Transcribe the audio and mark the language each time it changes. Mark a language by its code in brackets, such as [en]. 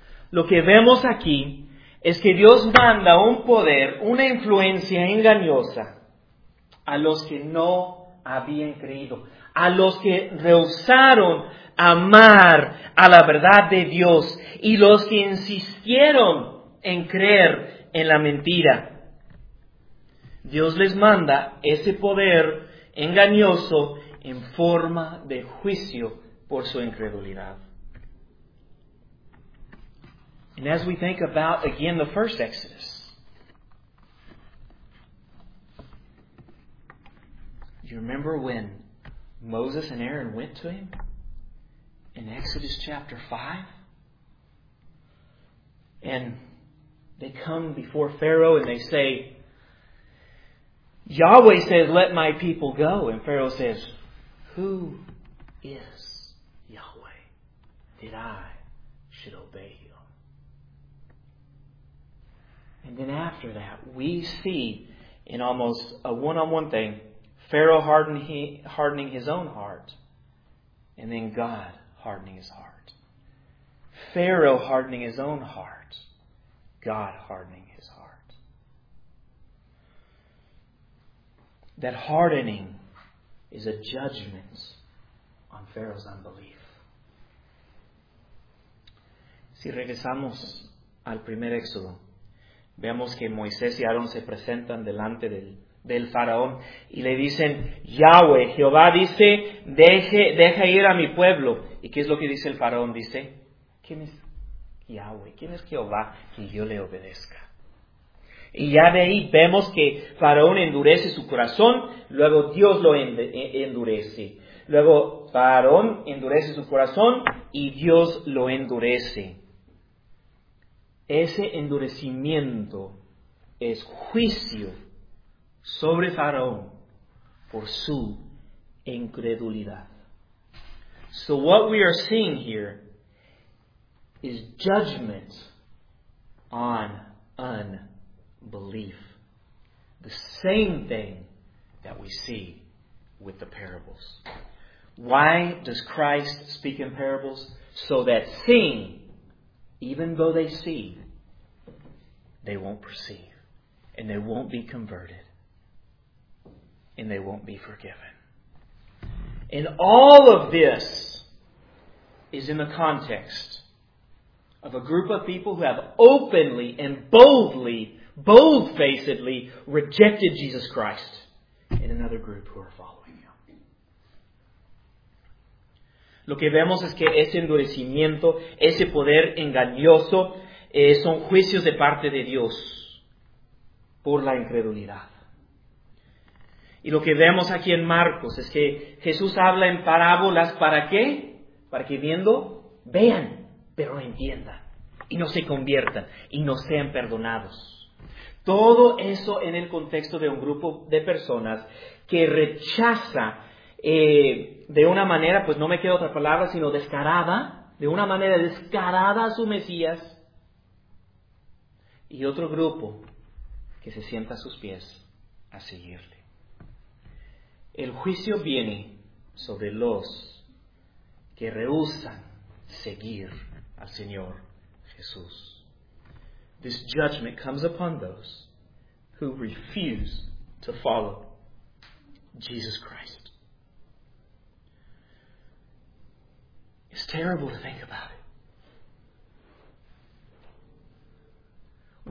[es] Lo que vemos aquí es que Dios manda un poder, una influencia engañosa a los que no habían creído, a los que rehusaron amar a la verdad de Dios y los que insistieron en creer en la mentira. Dios les manda ese poder engañoso en forma de juicio por su incredulidad. [en] And as we think about, again, the first Exodus, you remember when Moses and Aaron went to him in Exodus chapter 5? And they come before Pharaoh and they say, Yahweh says, let my people go. And Pharaoh says, who is Yahweh that I should obey Him? And then after that, we see in almost a one-on-one thing, Pharaoh hardening his own heart, and then God hardening his heart. Pharaoh hardening his own heart, God hardening his heart. That hardening is a judgment on Pharaoh's unbelief. [es] Si regresamos al primer éxodo, vemos que Moisés y Aarón se presentan delante del faraón y le dicen, Yahweh, Jehová dice, deja ir a mi pueblo. ¿Y qué es lo que dice el faraón? Dice, ¿quién es Yahweh? ¿Quién es Jehová que yo le obedezca? Y ya de ahí vemos que Faraón endurece su corazón, luego Dios lo endurece. Luego Faraón endurece su corazón y Dios lo endurece. Ese endurecimiento es juicio sobre Faraón por su incredulidad. [en] So what we are seeing here is judgment on unbelief. The same thing that we see with the parables. Why does Christ speak in parables? So that seeing, even though they see, they won't perceive. And they won't be converted. And they won't be forgiven. And all of this is in the context of a group of people who have openly and boldly, bold-facedly rejected Jesus Christ in another group who are following Him. [es] Lo que vemos es que ese endurecimiento, ese poder engañoso, son juicios de parte de Dios por la incredulidad. Y lo que vemos aquí en Marcos es que Jesús habla en parábolas, ¿para qué? Para que viendo, vean, pero entiendan, y no se conviertan, y no sean perdonados. Todo eso en el contexto de un grupo de personas que rechaza de una manera, pues no me queda otra palabra, sino descarada, de una manera descarada a su Mesías. Y otro grupo que se sienta a sus pies a seguirle. El juicio viene sobre los que rehúsan seguir al Señor Jesús. [en] This judgment comes upon those who refuse to follow Jesus Christ. It's terrible to think about it.